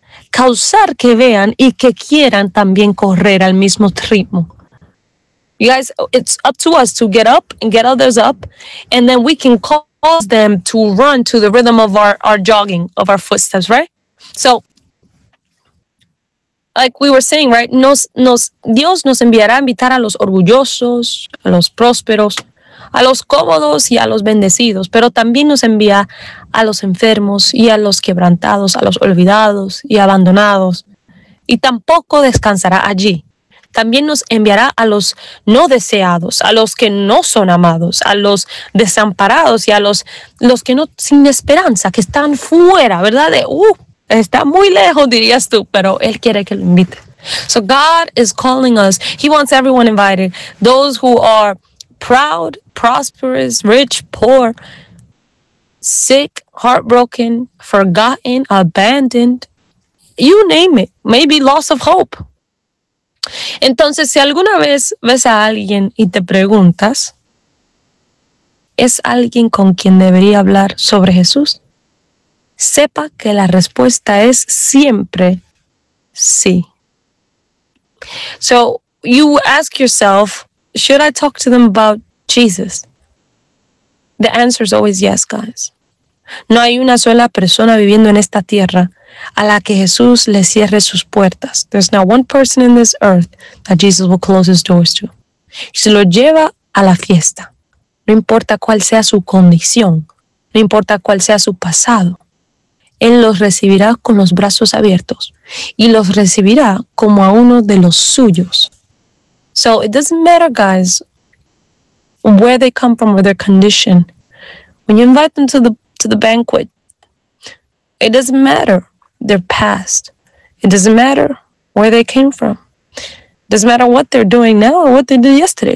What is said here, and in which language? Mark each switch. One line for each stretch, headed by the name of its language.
Spanish: Causar que vean y que quieran también correr al mismo ritmo.
English: You guys, it's up to us to get up and get others up. And then we can cause them to run to the rhythm of our jogging, of our footsteps, right? So, like we were saying, right?
Spanish: Dios nos enviará a invitar a los orgullosos, a los prósperos, a los cómodos y a los bendecidos. Pero también nos envía a los enfermos y a los quebrantados, a los olvidados y abandonados. Y tampoco descansará allí. También nos enviará a los no deseados, a los que no son amados, a los desamparados y a los que no sin esperanza, que están fuera, ¿verdad? Está muy lejos, dirías tú, pero él quiere que lo invite.
English: So God is calling us. He wants everyone invited. Those who are proud, prosperous, rich, poor, sick, heartbroken, forgotten, abandoned, you name it. Maybe loss of hope.
Spanish: Entonces, si alguna vez ves a alguien y te preguntas, ¿es alguien con quien debería hablar sobre Jesús? Sepa que la respuesta es siempre sí.
English: So, you ask yourself, ¿should I talk to them about Jesus? The answer is always yes, guys.
Spanish: No hay una sola persona viviendo en esta tierra a la que Jesús le cierre sus puertas.
English: There's not one person in this earth that Jesus will close his doors to.
Spanish: Se lo lleva a la fiesta. No importa cuál sea su condición. No importa cuál sea su pasado. Él los recibirá con los brazos abiertos. Y los recibirá como a uno de los suyos.
English: So it doesn't matter, guys, where they come from or their condition. When you invite them to the banquet, it doesn't matter their past. It doesn't matter where they came from. It doesn't matter what they're doing now or what they did yesterday.